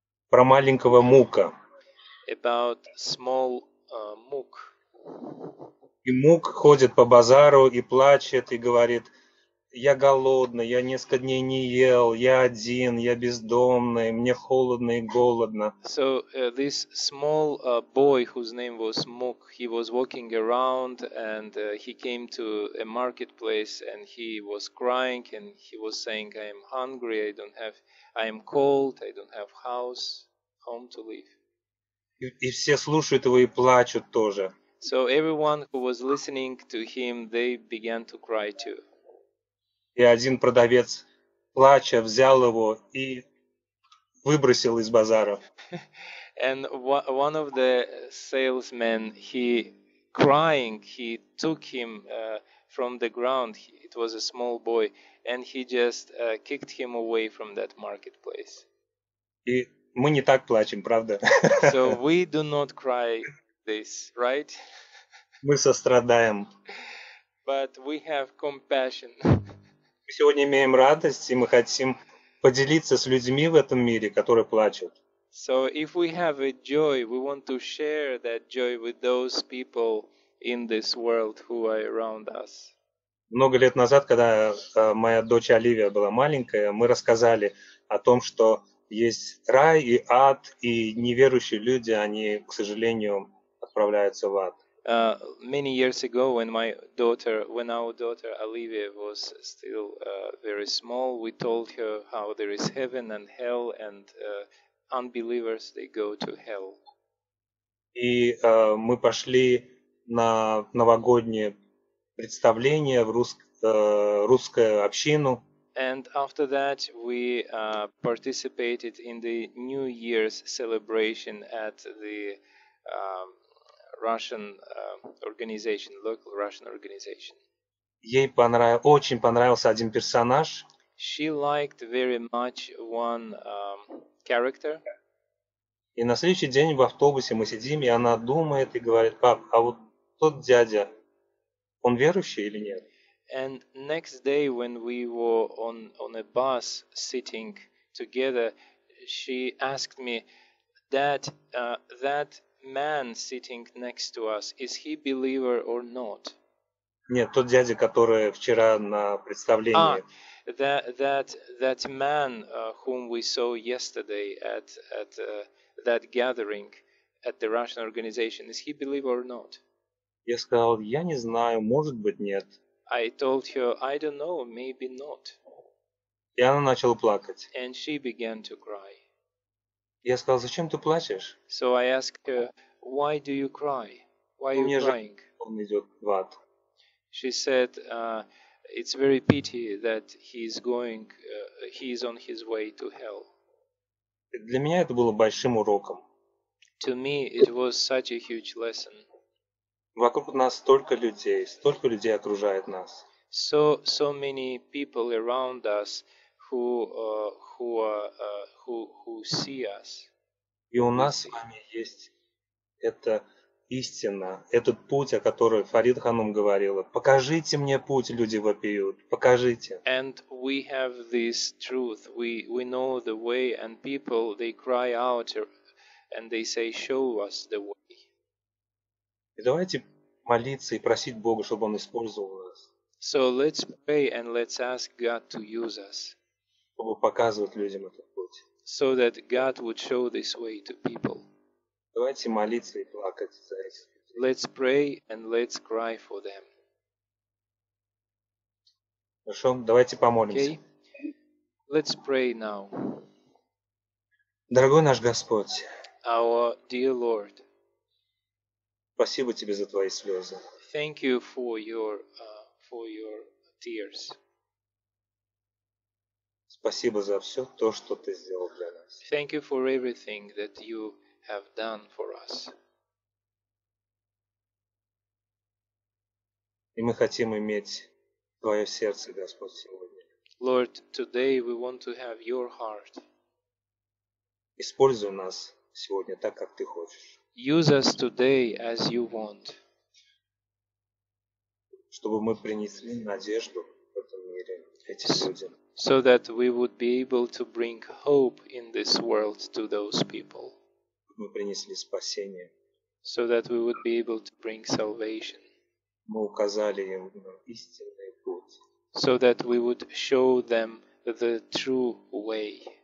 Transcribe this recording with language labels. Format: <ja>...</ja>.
<ru>Про маленького Мука.</ru> <en>About small Мук.</en> <ru>И Мук ходит по базару и плачет, и говорит, я голодный, я несколько дней не ел, я один, я бездомный, мне холодно и голодно.</ru> <en>So this small boy whose name was Muk, he was walking around and he came to a marketplace and he was crying and he was saying, I am hungry, I don't have, I am cold, I don't have house, home to live.</en> <ru>И все слушают его и плачут тоже.</ru> <en>So everyone who was listening to him, they began to cry too.</en> <ru>И один продавец, плача, взял его и выбросил из базара.</ru> <en>And one of the salesmen, he crying, he took him from the ground. It was a small boy, and he just kicked him away from that marketplace.</en> <ru>И мы не так плачем, правда?</ru> <en>So we do not cry this, right?</en> <ru>Мы сострадаем.</ru> <en>But we have compassion.</en> <ru>Мы сегодня имеем радость, и мы хотим поделиться с людьми в этом мире, которые плачут.</ru> <en>So if we have a joy, we want to share that joy with those people in this world who are around us.</en> <ru>Много лет назад, когда моя дочь Оливия была маленькая, мы рассказали о том, что есть рай и ад, и неверующие люди, они, к сожалению, отправляются в ад.</ru> <en>Many years ago, when our daughter Olivia was still very small, we told her how there is heaven and hell, and unbelievers they go to hell.</en> <ru>И мы пошли на новогоднее представление в русскую общину.</ru> <en>And after that, we participated in the New Year's celebration at the Russian organization, local Russian organization.</en> <ru>Ей очень понравился один персонаж.</ru> <en>She liked very much one character.</en> <ru>И на следующий день в автобусе мы сидим, и она думает и говорит: пап, а вот тот дядя, он верующий или нет?</ru> <en>And next day, when we were on a bus sitting together, she asked me, Dad, that man sitting next to us, is he believer or not?</en> <ru>Нет, тот дядя, который вчера на представлении.</ru> <en>That man whom we saw yesterday at that gathering at the Russian organization, is he believer or not?</en> <ru>Я сказал, я не знаю, может быть, нет.</ru> <en>I told her, I don't know, maybe not.</en> <ru>И она начала плакать.</ru> <en>And she began to cry.</en> <ru>Я сказал, зачем ты плачешь?</ru> <en>So I asked her, why do you cry? Why are you crying?</en> <ru>Он идет в ад.</ru> <en>She said, it's very pity that he is on his way to hell.</en> <ru>Для меня это было большим уроком.</ru> <en>To me, it was such a huge lesson.</en> <ru>Вокруг нас столько людей окружает нас.</ru> <en>So many people around us who see us.</en> <ru>И у нас с вами есть эта истина, этот путь, о котором Фарид Ханум говорила. Покажите мне путь, люди вопиют. Покажите.</ru> <en>And we have this truth. We know the way, and people they cry out and they say, show us the way.</en> <ru>И давайте молиться и просить Бога, чтобы Он использовал нас.</ru> <en>So let's pray and let's ask God to use us.</en> <ru>Чтобы показывать людям этот путь.</ru> <en>So that God would show this way to people.</en> <ru>Давайте молиться и плакать за этих людей.</ru> <en>Let's pray and let's cry for them.</en> <ru>Хорошо, давайте помолимся.</ru> <en>Okay. Let's pray now.</en> <ru>Дорогой наш Господь.</ru> <en>Our dear Lord.</en> <ru>Спасибо тебе за твои слезы.</ru> <en>Thank you for your tears.</en> <ru>Спасибо за все то, что ты сделал для нас.</ru> <en>Thank you for everything that you have done for us.</en> <ru>И мы хотим иметь твое сердце, Господь, сегодня.</ru> <en>Lord, today we want to have your heart.</en> <ru>Используй нас сегодня так, как ты хочешь.</ru> <en>Use us today as you want.</en> <ru>Чтобы мы принесли надежду в этом мире этим людям.</ru> <en>So that we would be able to bring hope in this world to those people.</en> <ru>Мы принесли спасение.</ru> <en>So that we would be able to bring salvation.</en> <ru>Мы указали им на истинный путь.</ru> <en>so that we would show them the true way.</en>